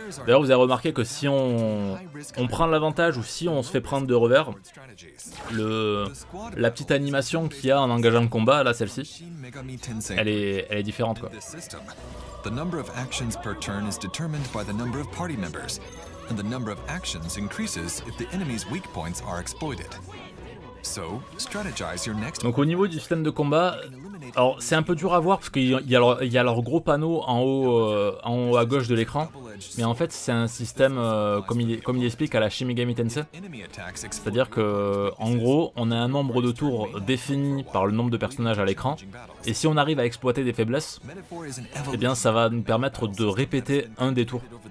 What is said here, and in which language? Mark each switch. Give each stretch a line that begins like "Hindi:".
French: D'ailleurs, vous avez remarqué que si on prend l'avantage ou si on se fait prendre de revers, la petite animation qu'il y a en engageant le combat, là celle-ci, elle est différente quoi.
English: The number of actions per turn is determined by the number of party members. And the number of actions increases if the enemy's weak points are exploited. So, strategize your next.
French: Donc au niveau du système de combat, alors c'est un peu dur à voir parce qu'il y a leur gros panneau en haut à gauche de l'écran, mais en fait c'est un système comme il explique à la Shin Megami Tensei, c'est-à-dire que en gros on a un nombre de tours défini par le nombre de personnages à l'écran, et si on arrive à exploiter des faiblesses, eh bien ça va nous permettre de répéter un des tours.